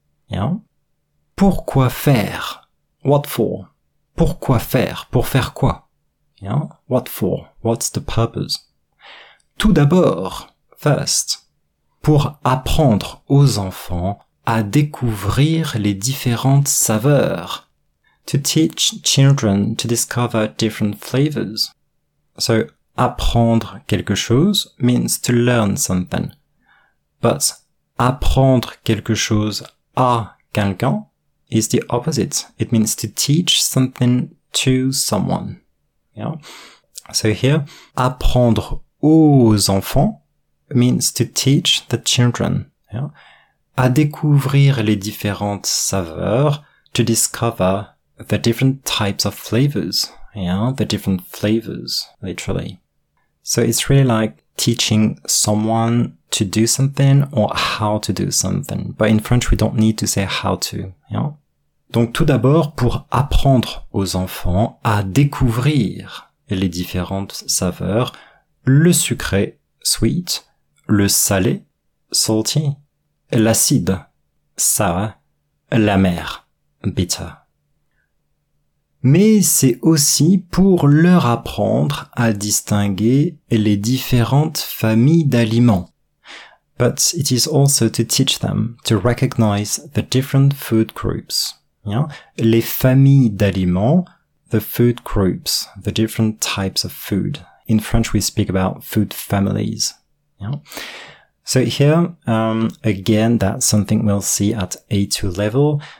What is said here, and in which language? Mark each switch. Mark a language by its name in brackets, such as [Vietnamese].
[English] Yeah. [French] Pourquoi faire? [English] What for? [French] Pourquoi faire? Pour faire quoi? [English] Yeah. What for? What's the purpose? [French] Tout d'abord, [English] first, [French] pour apprendre aux enfants à découvrir les différentes saveurs. [English] To teach children to discover different flavors. So, [French] apprendre quelque chose [English] means to learn something. But [French] apprendre quelque chose à quelqu'un [English] is the opposite. It means to teach something to someone. Yeah. So here, [French] apprendre aux enfants [English] means to teach the children. Yeah. [French] À découvrir les différentes saveurs, [English] to discover the different types of flavors. Yeah, the different flavors, literally. So it's really like teaching someone to do something or how to do something. But in French, we don't need to say how to, yeah? [French] Donc tout d'abord, pour apprendre aux enfants à découvrir les différentes saveurs, le sucré, sweet, le salé, salty, l'acide, sour, l'amer, bitter. Mais c'est aussi pour leur apprendre à distinguer les différentes familles d'aliments. [English] But it is also to teach them to recognize the different food groups. Yeah? [French] Les familles d'aliments, [English] the food groups, the different types of food. In French, we speak about food families. Yeah? So here, again, that's something we'll see at A2 level.